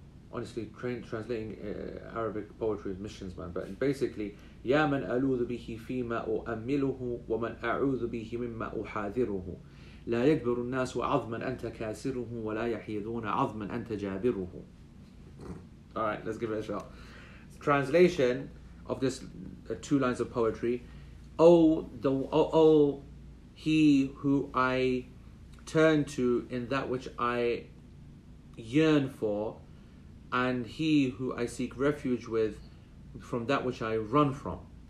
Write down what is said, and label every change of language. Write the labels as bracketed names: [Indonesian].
[English] Honestly, translating Arabic poetry is missions, man. But basically, [Arabic] يَا مَنْ أَلُوذُ بِهِ فِي مَا أُؤَمِّلُهُ وَمَنْ أَعُوذُ بِهِ مِمَّا أُحَاذِرُهُ لَا يَكْبِرُ النَّاسُ عَظْمًا أَنْتَ كَاسِرُهُ وَلَا يَحِيَذُونَ عَظْمًا أَنْتَ جَابِرُهُ. [English] Alright, let's give it a shot. Translation of this two lines of poetry. He who I turn to in that which I yearn for, and he who I seek refuge with from that which I run from.